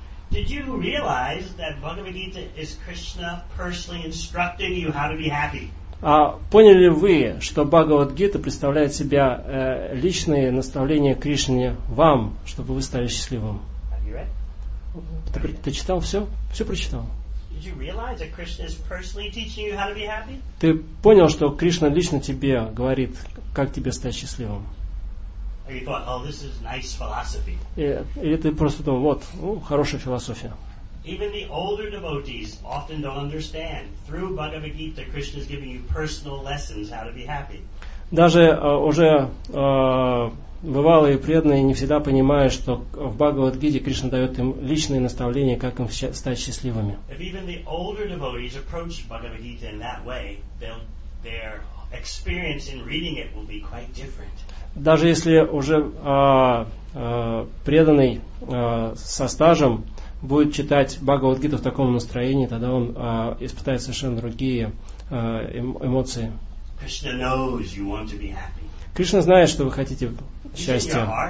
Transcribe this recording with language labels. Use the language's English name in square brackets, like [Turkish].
[English] Did you realize that Bhagavad-gita is Krishna personally instructing you how to be happy? [Russian] Поняли ли вы, что Бхагавад-гита представляет себя личное наставление Кришне вам, чтобы вы стали счастливым? [English] Have you read? [Russian] Ты читал все? Все прочитал? [English] Did you realize that Krishna is personally teaching you how to be happy? [Russian] Ты понял, что Кришна лично тебе говорит, как тебе стать счастливым? [English] Or you thought, oh, this is nice philosophy. [Russian] Или ты просто думал, вот, хорошая философия. [English] Even the older devotees often don't understand. Through Bhagavad Gita, Krishna is giving you personal lessons how to be happy. [Russian] Даже уже бывалые преданные не всегда понимают, что в Бхагавад-гите Кришна дает им личные наставления, как им стать счастливыми. [English] If even the older devotees approach Bhagavad Gita in that way, their experience in reading it will be quite different. [Russian] Даже если уже преданный со стажем будет читать Бхагавад-гиту в таком настроении, тогда он испытает совершенно другие эмоции. [English] Krishna knows you want to be happy. [Russian] Кришна знает, что вы хотите счастья.